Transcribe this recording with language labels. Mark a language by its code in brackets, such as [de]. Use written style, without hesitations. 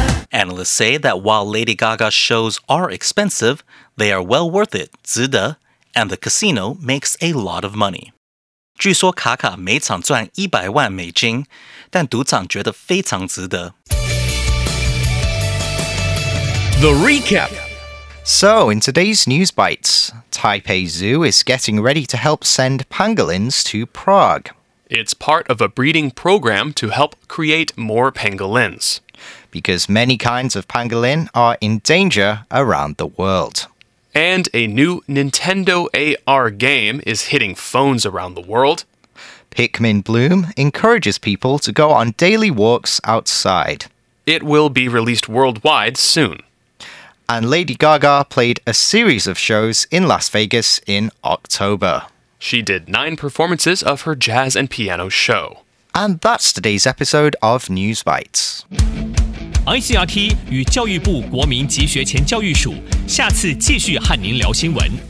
[en] Analysts say that while Lady Gaga's shows are expensive, they are well worth it, 值得。 And the casino makes a lot of money. [zh] 据说卡卡每场赚$1,000,000，但赌场觉得非常值得。 [en] The recap. So, in today's news bites, Taipei Zoo is getting ready to help send pangolins to Prague. It's part of a breeding program to help create more pangolins. Because many kinds of pangolin are in danger around the world. And a new Nintendo AR game is hitting phones around the world. Pikmin Bloom encourages people to go on daily walks outside. It will be released worldwide soon. And Lady Gaga played a series of shows in Las Vegas in October. She did 9 performances of her jazz and piano show. And that's today's episode of News Bites. [zh] ICRT 与教育部国民及学前教育署下次继续和您聊新闻。